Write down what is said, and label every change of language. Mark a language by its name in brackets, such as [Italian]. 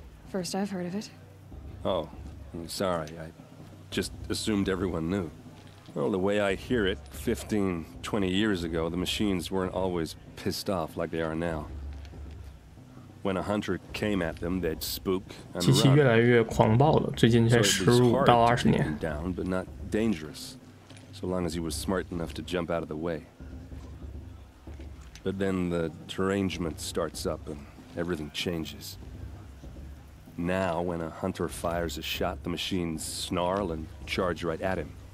[English] First I've heard of it. Oh, I'm sorry, I just assumed everyone knew. Well, the way I hear it, 15, 20 years ago, the machines weren't always pissed off like they are now. When a hunter came at them, they'd spook and run. [Chinese] 机器越来越狂暴了，最近才15到20年。 [English] So it was hard to get down, but not dangerous, so long as he was smart enough to jump out of the way. But then the derangement starts up and everything changes. Now, when a hunter fires a shot, the machines snarl and charge right at him.